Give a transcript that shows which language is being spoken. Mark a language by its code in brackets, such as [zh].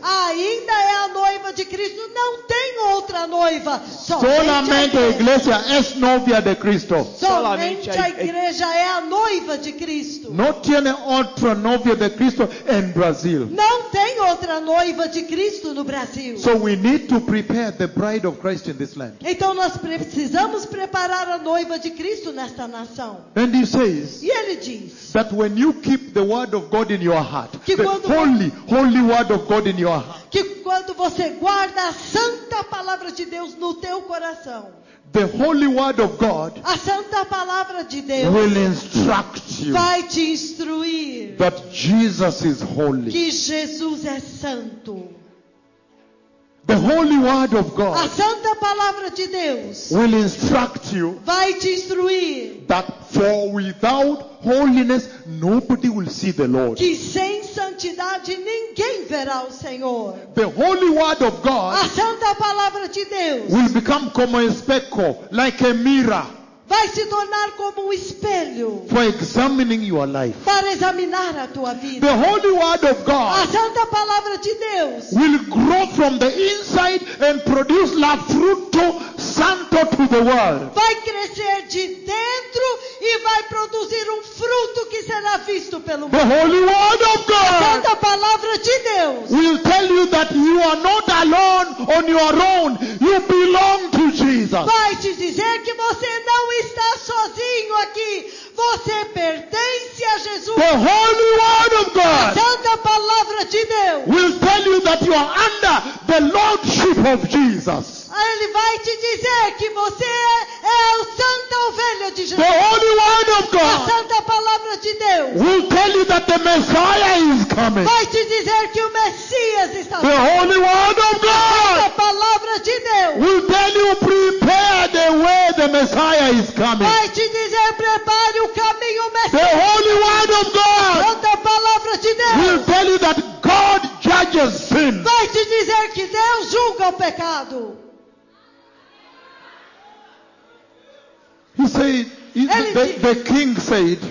[pt] Ainda é a noiva de Cristo. Não tem outra noiva. [es] Solamente a igreja é novia de Cristo. [pt] Somente a igreja é a noiva de Cristo. Não tem outra novia de Cristo em Brasil. Não tem outra noiva de Cristo no Brasil. [en] So we need to prepare the bride of Christ in this land. [pt] Então nós precisamos preparar a noiva de Cristo nesta nação. [en] And he says, [pt] e ele diz, [en] that when you keep the word of God in your heart, the holy, holy word of God in your heart, [pt] que quando você guarda a santa palavra de Deus no teu coração, [en] the holy word of God, [pt] a santa palavra de Deus, [en] will instruct you, [pt] vai te instruir, [en] that Jesus is holy, [pt] que Jesus é santo. [en] The holy word of God, [pt] a santa palavra de Deus, [en] will instruct you, [pt] vai te instruir, [en] that for without holiness nobody will see the Lord, [pt] que sem santidade ninguém verá o Senhor. [en] The holy word of God, [pt] a santa palavra de Deus, [en] will become [es] como espejo, [en] like a mirror, [pt] vai se tornar como espelho, [en] for examining your life, [pt] para examinar a tua vida. [en] The holy word of God, [pt] a santa palavra de Deus, [en] will grow from the inside and produce [es] la fruto santo [en] to the world, [pt] vai crescer de dentro e vai produzir fruto que será visto pelo mundo. [en] The holy word of God, [pt] a santa palavra de Deus, [en] will tell you that you are not alone on your own, you belong to Jesus, [pt] vai te dizer que você não está sozinho aqui, você pertence a Jesus. [en] The holy word of God, [pt] a santa palavra de Deus, [en] will tell you that you are under the lordship of Jesus, [pt] ele vai te dizer que você é o santa ovelha de Jesus. [en] The holy word of God, [pt] a santa palavra de Deus, [en] will tell you that the Messiah is coming, [pt] vai te dizer que o Messias está vindo. [en] The holy word of God, [pt] a santa palavra de Deus, [en] will tell you prepare the way, the Messiah is coming, [pt] vai te dizer prepare o caminho, o Messias. [en] The holy word of God, [pt] a santa palavra de Deus, [en] will tell you that God judges sin, [pt] vai te dizer que Deus julga o pecado. [en] He said, the king said,